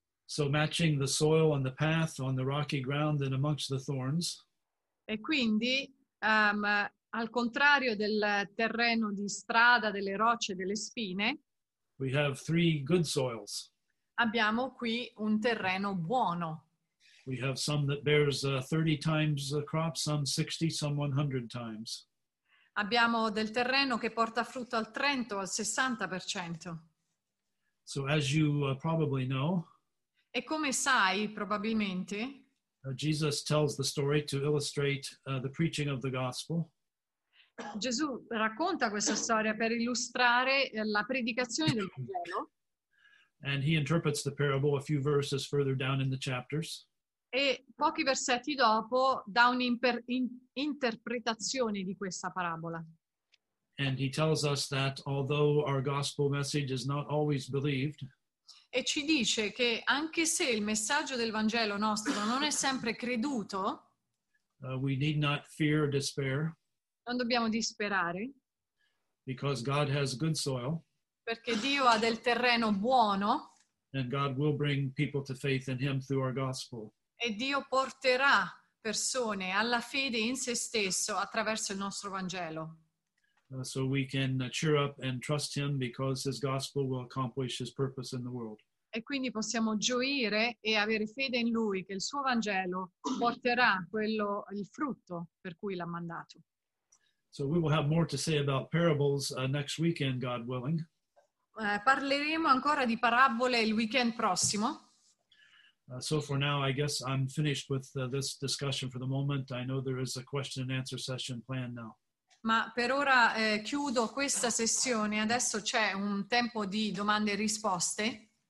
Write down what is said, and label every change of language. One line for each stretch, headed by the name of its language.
English: So matching the soil on the path, on the rocky ground and amongst the thorns.
Italian: E quindi al contrario del terreno di strada, delle rocce, delle spine,
English: we have three good soils.
Italian: Abbiamo qui un terreno buono.
English: We have some that bears 30 times the crop, some 60, some 100 times.
Italian: Abbiamo del terreno che porta frutto al 30 o al 60%.
English: So as you probably know,
Italian: e come sai probabilmente,
English: Jesus tells the story to illustrate the preaching of the gospel.
Italian: Gesù racconta questa storia per illustrare la predicazione del Vangelo.
English: And he interprets the parable a few verses further down in the chapters.
Italian: E pochi versetti dopo dà un'interpretazione di questa parabola.
English: And he tells us that although our gospel message is not always believed,
Italian: e ci dice che anche se il messaggio del Vangelo nostro non è sempre creduto,
English: we need not fear or despair.
Italian: Non dobbiamo disperare.
English: Because God has good soil.
Italian: Perché Dio ha del terreno buono.
English: And God will bring people to faith in him through our gospel.
Italian: E Dio porterà persone alla fede in se stesso attraverso il nostro Vangelo.
English: so we can cheer up and trust him because his gospel will accomplish his purpose in the world.
Italian: E quindi possiamo gioire e avere fede in lui che il suo Vangelo porterà quello, il frutto per cui l'ha mandato.
English: So we will have more to say about parables next weekend, God willing.
Italian: Parleremo ancora di parabole il weekend prossimo.
English: So for now, I guess I'm finished with this discussion for the moment. I know there is a question and answer session planned now.
Italian: Ma per ora chiudo questa sessione. Adesso c'è un tempo di domande e risposte.